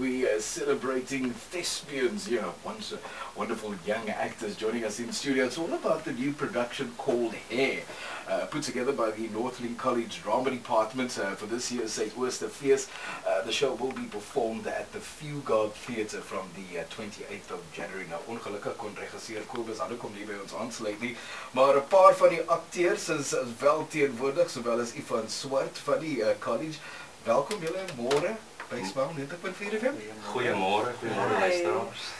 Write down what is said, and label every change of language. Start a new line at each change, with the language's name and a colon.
English: We are celebrating thespians. You know, once wonderful young actors joining us in studio. It's all about the new production called Hair, put together by the Northlink College Drama Department for this year's Suidoosterfees. The show will be performed at the Fugard Theatre from the 28th of January.
Afrikaans: Now, ongelukkig kon regisseur Kobus aankom nie by ons aansluit nie, maar 'n paar van die akteurs is wel teenwoordig, sowel as Ivan Swart van die college. Welkom julle môre by Smile90.4fm. Goeiemôre luisteraars.